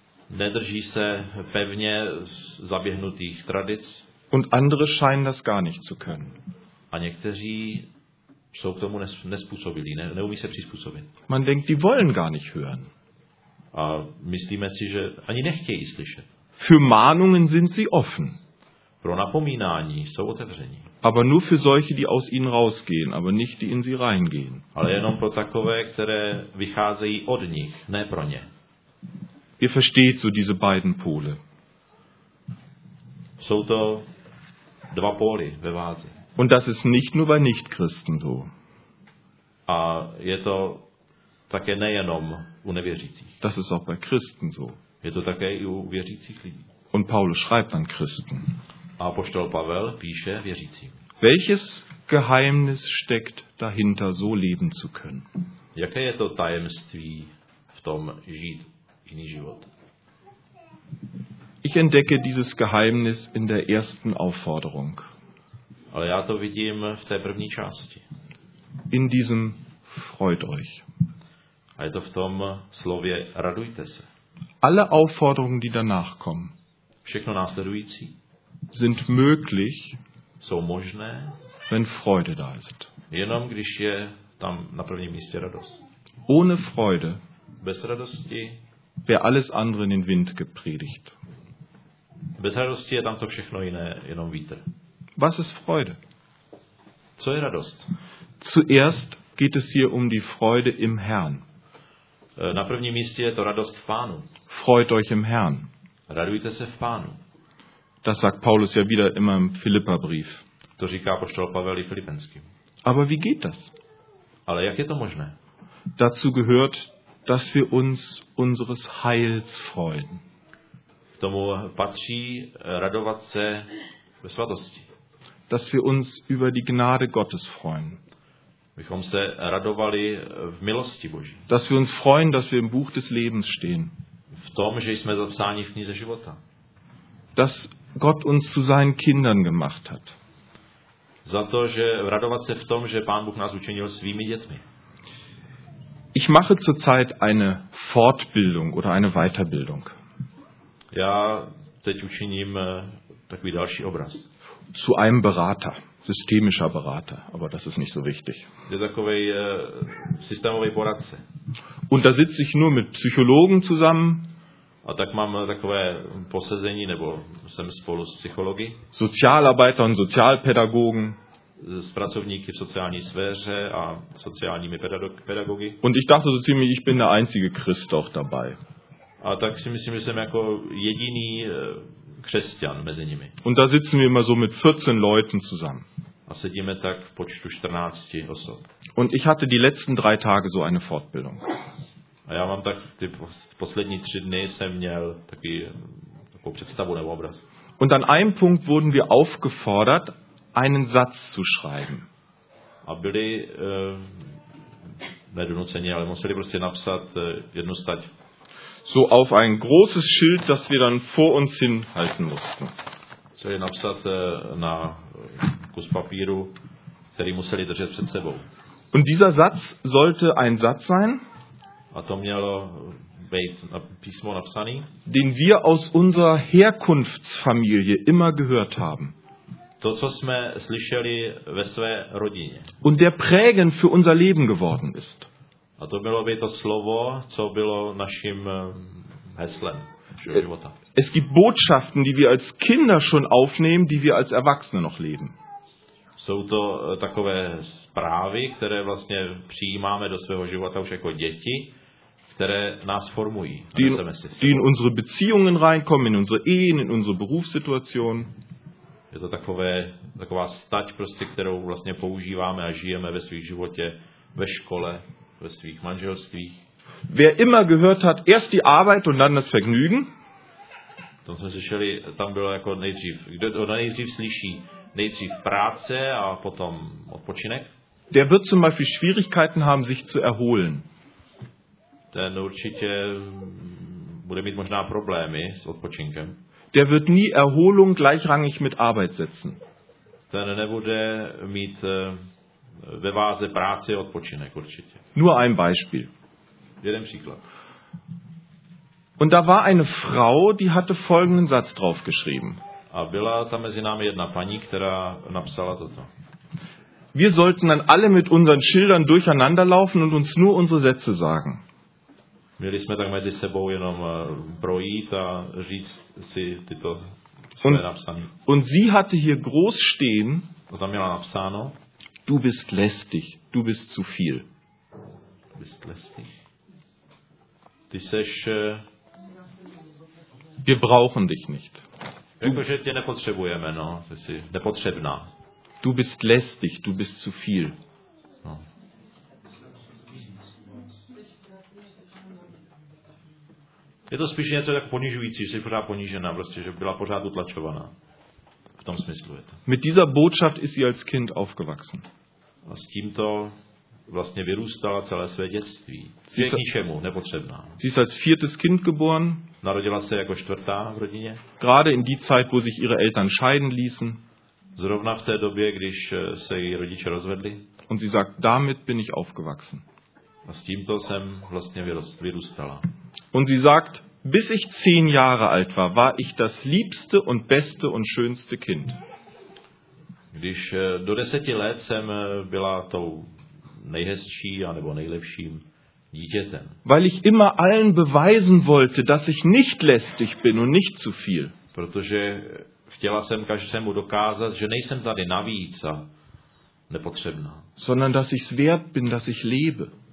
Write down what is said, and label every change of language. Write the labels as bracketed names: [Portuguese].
[Czech] Nedrží se pevně zaběhnutých tradic. [German] Und andere scheinen das gar nicht zu können. [Czech] A někteří jsou k tomu nespůsobilí, neumí se přizpůsobit. [German] Man denkt, die wollen gar nicht hören. [Czech] A myslíme si, že ani nechtějí slyšet. [German] Für Mahnungen sind sie offen. [Czech] Pro napomínání jsou otevření. [German] Aber nur für solche, die aus ihnen rausgehen, aber nicht die in sie reingehen. [Czech] Ale jenom pro takové, které vycházejí od nich, ne pro ně. [German] Ihr versteht so diese beiden Pole. [Czech] Jsou to dva póly ve váze. [German] Und das ist nicht nur bei Nichtchristen so. [Czech] A je to také nejenom u nevěřících. [German] Das ist auch bei Christen so. [Czech] Je to také i u věřících lidí. [German] Und Paulus schreibt an Christen. [Czech] A apoštol Pavel píše věřícím. [German] Welches Geheimnis steckt dahinter, so leben zu können? [Czech] Jaké je to tajemství v tom žít jiný život? [German] Ich entdecke dieses Geheimnis in der ersten Aufforderung. [Czech] Ale já to vidím v té první části. [German] In diesem freut euch. [Czech] A je to v tom slově radujte se. [German] Alle Aufforderungen, die danach kommen, [Czech] všechno následující, [German] sind möglich, [Czech] jsou možné, [German] wenn Freude da ist. [Czech] Jenom když je tam na prvním místě radost. [German] Ohne Freude, [Czech] bez radosti, [German] wäre alles andere in den Wind gepredigt. [Czech] Bez radosti je tam to všechno jiné, jenom vítr. [German] Was ist Freude? [Czech] Co je radost? [German] Zuerst geht es hier um die Freude im Herrn. [Czech] Na prvním místě je to radost v Pánu. [German] Freut euch im Herrn. [Czech] Radujte se v Pánu. [German] Das sagt Paulus ja wieder immer im Philipperbrief. [Czech] To říká apoštol Pavel i Filipenským. [German] Aber wie geht das? [Czech] Ale jak je to možné? [German] Dazu gehört, dass wir uns unseres Heils freuen. [Czech] K tomu patří radovat se ve svatosti. [German] Dass wir uns über die Gnade Gottes freuen. [Czech] Bychom se radovali v milosti Boží. [German] Dass wir uns freuen, dass wir im Buch des Lebens stehen. [Czech] V tom, že jsme zapsáni v knize života. [German] Dass Gott uns zu seinen Kindern gemacht hat. [Czech] Za to, že radovat se v tom, že Pán Bůh nás učinil svými dětmi. [German] Ich mache zurzeit eine Fortbildung oder eine Weiterbildung. [Czech] Já teď učiním takový další obraz. [German] Zu einem Berater. Systemischer Berater, aber das ist nicht so wichtig. [Czech] Je takovej systémový poradce. [German] Und da sitze ich nur mit Psychologen zusammen. [Czech] A tak mám takové posezení, nebo jsem spolu s psychologi. [German] Sozialarbeiter und Sozialpädagogen. [Czech] S pracovníky v sociální sféře a sociálními pedagogy. [German] Und ich dachte so ziemlich, ich bin der einzige Christ auch dabei. [Czech] A tak si myslím, že jsem jako jediný křesťan mezi nimi. [German] Und da sitzen wir immer so mit 14 Leuten zusammen. [Czech] A sedíme tak v počtu 14 osob. [German] Und ich hatte die letzten drei Tage so eine Fortbildung. [Czech] A já mám tak ty poslední tři dny jsem měl takovou představu nebo obraz. [German] Und an einem Punkt wurden wir aufgefordert, einen Satz zu schreiben. [Czech] A byli nedonuceni, ale museli prostě napsat jednu stať. [German] So auf ein großes Schild, das wir dann vor uns hinhalten mussten. [Czech] Co je napsat na kus papíru, který museli držet před sebou. [German] Und dieser Satz sollte ein Satz sein, [Czech] a to mělo být písmo napsaný, [German] den wir aus unserer Herkunftsfamilie immer gehört haben. [Czech] To, co jsme slyšeli ve své rodině. [German] Und der prägend für unser Leben geworden ist. [Czech] A to bylo by to slovo, co bylo naším heslem našeho života. [German] Es gibt Botschaften, die wir als Kinder schon aufnehmen, die wir als Erwachsene noch leben. [Czech] Jsou to takové zprávy, které vlastně přijímáme do svého života už jako děti, které nás formují. [German] Die in unsere Beziehungen reinkommen, in unsere Ehen, in unsere Berufssituation. [Czech] Je to taková stať, prostě, kterou vlastně používáme a žijeme ve svých životě, ve škole, ve svých manželstvích. [German] Wer immer gehört hat, erst die Arbeit und dann das Vergnügen. [Czech] To jsme slyšeli, tam bylo jako nejdřív. Kdo to nejdřív slyší? Nejdřív práce a potom odpočinek. [German] Der wird zum Beispiel Schwierigkeiten haben, sich zu erholen. [Czech] Ten určitě bude mít možná problémy s odpočinkem. [German] Der wird nie Erholung gleichrangig mit Arbeit setzen. [Czech] Ten nebude mít ve váze práce a odpočinek určitě. [German] Nur ein Beispiel. [Czech] Jeden příklad. [German] Und da war eine Frau, die hatte folgenden Satz draufgeschrieben. [Czech] A byla tam mezi námi jedna paní, která napsala toto. [German] Wir sollten dann alle mit unseren Schildern durcheinander laufen und uns nur unsere Sätze sagen. [Czech] Měli jsme tak mezi sebou jenom projít a říct si tyto své napsané. [German] Und sie hatte hier groß stehen. Und dann [Czech] měla napsáno. [German] Du bist lästig. Du bist zu viel. Du bist lästig. [Czech] Ty seš. [German] Wir brauchen dich nicht. [Czech] Jakože tě nepotřebujeme, no. Ty jsi nepotřebná. [German] Du bist lästig. Du bist zu viel. [Czech] Je to spíš něco tak ponižující, že jsi pořád ponížená, prostě, že byla pořád utlačovaná. V tom smyslu je to. [German] Mit dieser Botschaft ist sie als Kind aufgewachsen. [Czech] A s tímto vlastně vyrůstala celé své dětství. Je k ničemu nepotřebná. [German] Sie ist als viertes Kind geboren. [Czech] Narodila se jako čtvrtá v rodině. [German] Gerade in die Zeit, wo sich ihre Eltern scheiden ließen. [Czech] Zrovna v té době, když se její rodiče rozvedli. [German] Und sie sagt, damit bin ich aufgewachsen. [Czech] A s tímto jsem vlastně vyrůstala. [German] Und sie sagt, bis ich 10 Jahre alt war, war ich das liebste und beste und schönste Kind. [Czech] Když do 10 let jsem byla tou nejhezčí anebo nejlepším dítětem. [German] Weil ich immer allen beweisen wollte, dass ich nicht lästig bin und nicht zu viel. [Czech] Protože chtěla jsem každému dokázat, že nejsem tady navíc a nepotřebná. [German] Sondern dass ich's wert bin, dass ich lebe.